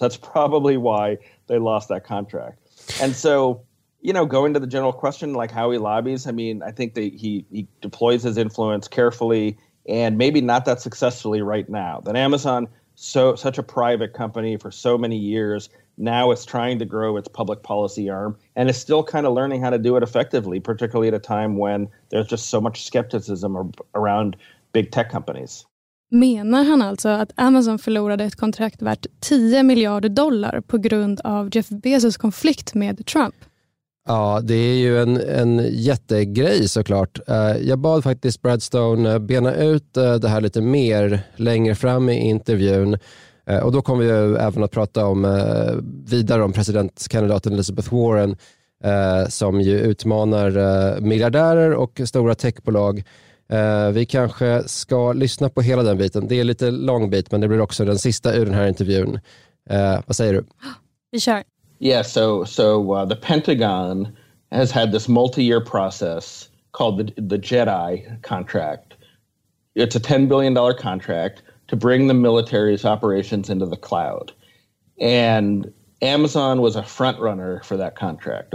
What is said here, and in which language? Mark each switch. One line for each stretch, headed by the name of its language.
English: That's probably why they lost that contract. And so, you know, going to the general question, like how he lobbies, I mean, I think that he deploys his influence carefully and maybe not that successfully right now. That Amazon, such a private company for so many years, Now it's trying to grow its public policy arm, and it's still kind of learning how to do it effectively, particularly at a time when there's just so much skepticism around big tech companies.
Swedish: Menar han alltså att Amazon förlorade ett kontrakt värt 10 miljarder dollar på grund av Jeff Bezos konflikt med Trump? Ja, det är ju en jättegrej såklart. Jag bad faktiskt Brad Stone bena ut det här lite mer längre fram i intervjun. Och då kommer vi ju även att prata om vidare om presidentkandidaten Elizabeth Warren som ju utmanar miljardärer och stora techbolag. Vi kanske ska lyssna på hela den biten. Det är lite lång bit, men det blir också den sista ur den här intervjun. Vad säger du? Vi kör.
English: Yeah, so the Pentagon has had this multi-year process called the JEDI contract. It's a $10 billion contract to bring the military's operations into the cloud. And Amazon was a front runner for that contract.